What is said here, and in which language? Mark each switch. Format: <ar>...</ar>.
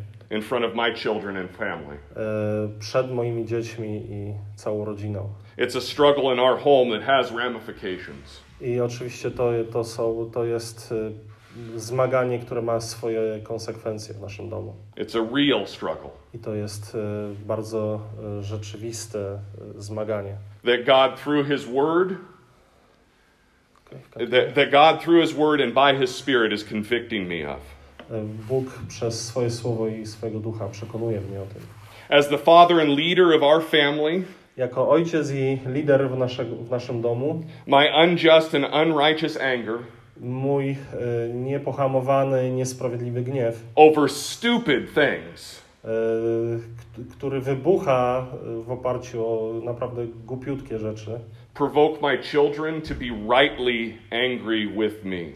<en>In front of my children and family.</en> <pl>Przed moimi dziećmi i całą rodziną.</pl> <en>It's a struggle in our home that has ramifications.</en> <pl>I oczywiście to jest zmaganie, które ma swoje konsekwencje w naszym domu.</pl> <en>It's a real struggle.</en> <pl>I to jest bardzo rzeczywiste zmaganie.</pl> <en>That God through His Word. That God through His Word and by His Spirit is convicting me of.</en> <pl>Bóg przez swoje słowo i swojego ducha przekonuje mnie o tym.</pl> <en>As the father and leader of our family,</en> <pl>jako ojciec i lider w naszym domu,</pl> <en>my unjust and unrighteous anger,</en> <pl>mój niepohamowany, niesprawiedliwy gniew,</pl> <en>over stupid things,</en> <pl>który wybucha w oparciu o naprawdę głupiutkie rzeczy.</pl> <en>Provoke my children to be rightly angry with me.</en>